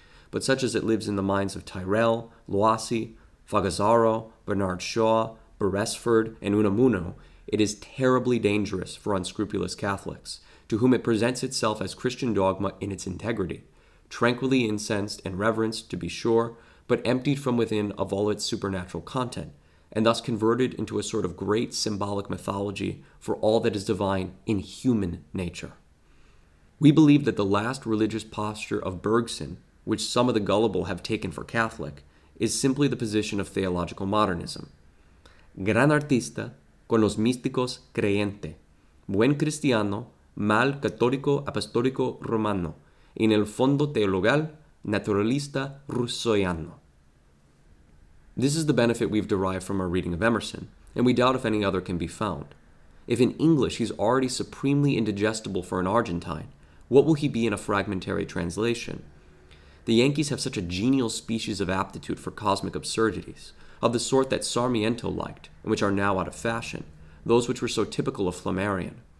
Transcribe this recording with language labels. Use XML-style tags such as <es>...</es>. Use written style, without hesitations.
<en>But such as it lives in the minds of Tyrell, Loisy, Fagazzaro, Bernard Shaw, Beresford, and Unamuno, it is terribly dangerous for unscrupulous Catholics, to whom it presents itself as Christian dogma in its integrity, tranquilly incensed and reverenced, to be sure, but emptied from within of all its supernatural content, and thus converted into a sort of great symbolic mythology for all that is divine in human nature. We believe that the last religious posture of Bergson, which some of the gullible have taken for Catholic, is simply the position of theological modernism.</en> <es>Gran artista con los místicos creyente, buen cristiano, mal católico apostólico romano, en el fondo teologal naturalista rusoyano.</es> <en>This is the benefit we've derived from our reading of Emerson, and we doubt if any other can be found. If in English he's already supremely indigestible for an Argentine, what will he be in a fragmentary translation? The Yankees have such a genial species of aptitude for cosmic absurdities, of the sort that Sarmiento liked, and which are now out of fashion, those which were so typical of Flammarion.</en>